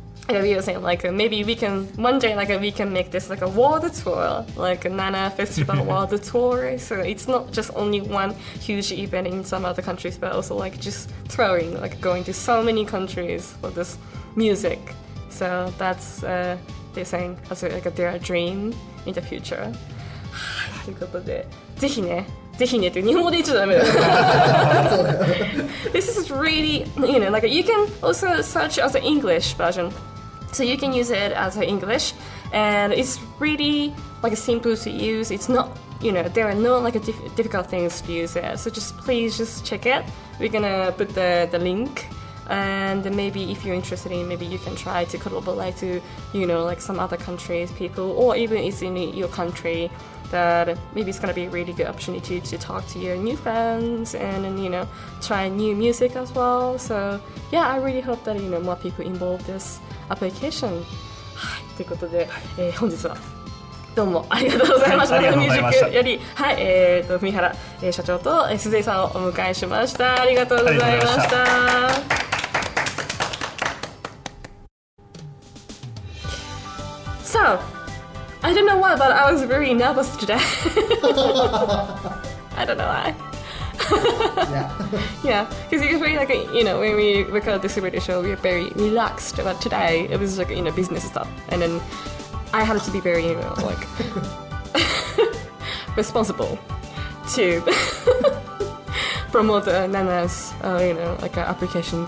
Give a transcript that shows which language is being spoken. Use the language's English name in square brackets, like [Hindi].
[English] we were saying like maybe we can one day like we can make this like a world tour, like Nana Festival world tour, so it's not just only one huge event in some other countries, but also like just touring, like going to so many countries for this music, so that'sThey're saying as a, like their dream in the future. [Japanese] ということで、ぜひね、ぜひねって日本語で言っちゃダメだ。 [English] This is really, you know, like you can also search as an English version, so you can use it as an English, and it's really like simple to use. It's not, you know, there are no like difficult things to use it. So just please just check it. We're gonna put the link. And maybe if you're interested in, maybe you can try to collaborate to, you know, like some other countries, people, or even it's in your country, that maybe it's going to be a really good opportunity to talk to your new friends and, you know, try new music as well. So, yeah, I really hope that, you know, more people involve this application. [Japanese] はい、ということで、本日はどうもありがとうございました。ありがとうございました。ミュージックより、はい、文原、社長と、鈴井さんをお迎えしました。ありがとうございました。 [English] So, I don't know why, but I was very nervous today. I don't know why. Yeah. Yeah, because usually, like, you know, when we record this radio show, we are very relaxed. But today, it was like, you know, business stuff. And then I had to be very, you know, like, responsible to promote the Nana's, you know, like, application.